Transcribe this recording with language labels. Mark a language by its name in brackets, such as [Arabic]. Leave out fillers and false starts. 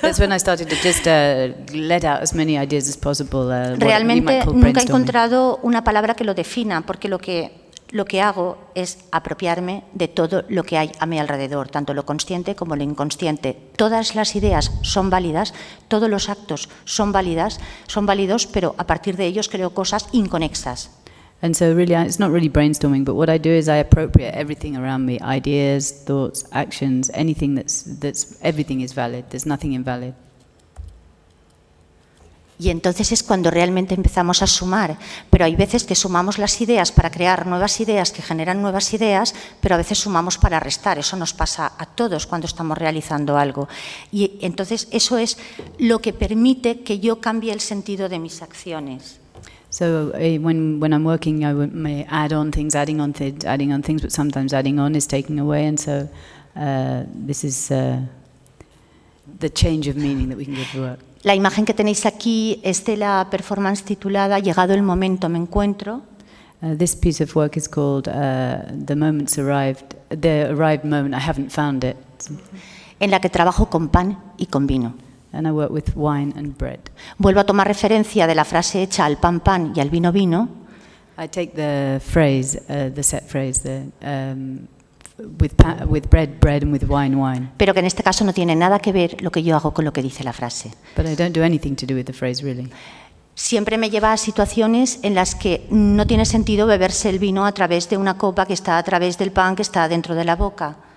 [English] That's when I started to just let out as many ideas as possible. [Spanish] Realmente nunca he encontrado una palabra que lo defina, porque lo que hago es apropiarme de todo lo que hay a mi alrededor, tanto lo consciente como lo inconsciente. Todas las ideas son válidas, todos los actos son válidas, son válidos, pero a partir de ellos creo cosas inconexas. [English] And so really, it's not really brainstorming, but what I do is I appropriate everything around me, ideas, thoughts, actions, anything that's everything is valid, there's nothing invalid. [Spanish] Y entonces es cuando realmente empezamos a sumar, pero hay veces que sumamos las ideas para crear nuevas ideas que generan nuevas ideas, pero a veces sumamos para restar. Eso nos pasa a todos cuando estamos realizando algo. Y entonces eso es lo que permite que yo cambie el sentido de mis acciones. [English] So when I'm working, I may add on things, but sometimes adding on is taking away, and so this is the change of meaning that we can give to work. [Spanish] La imagen que tenéis aquí es de la performance titulada Llegado el momento, me encuentro. [English] This piece of work is called The Moment's Arrived, The Arrived Moment, I Haven't Found It. [Spanish] En la que trabajo con pan y con vino. [English] And I work with wine and bread. [Spanish] Vuelvo a tomar referencia de la frase hecha al pan pan y al vino vino. [English] I take the phrase, the set phrase, the, with bread, bread, and with wine, wine. [Spanish] Pero que en este caso no tiene nada que ver lo que yo hago con lo que dice la frase. [English] But I don't do anything to do with the phrase, really. [Spanish] Siempre me lleva a situaciones en las que no tiene sentido beberse el vino a través de una copa que está a través del pan que está dentro de la boca.